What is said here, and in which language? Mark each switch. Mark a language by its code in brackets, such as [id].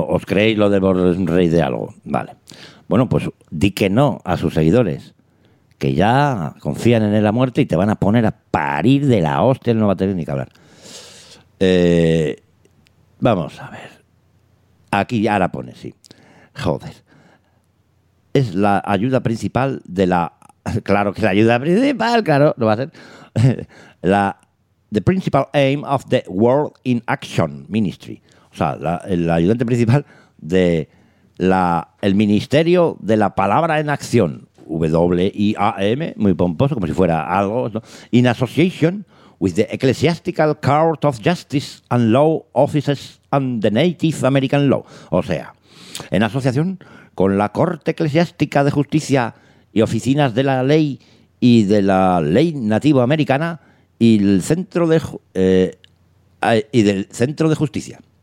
[es] ¿Os creéis lo de rey de algo? Vale, bueno, pues di que no a sus seguidores, que ya confían en él a muerte y te van a poner a parir de la hostia. Él no va a tener ni que hablar. Vamos a ver. Aquí ahora pone, sí. Joder. Es la ayuda principal de la... Claro que la ayuda principal, claro, no va a ser. [en] La The principal aim of the World in Action Ministry. [es] O sea, la ayudante principal de el Ministerio de la Palabra en Acción. WIAM, muy pomposo, como si fuera algo, ¿no? [en] In association with the Ecclesiastical Court of Justice and Law Offices and the Native American Law. [es] O sea, en asociación con la Corte Eclesiástica de Justicia y Oficinas de la Ley y de la Ley Nativa Americana y el Centro de Justicia.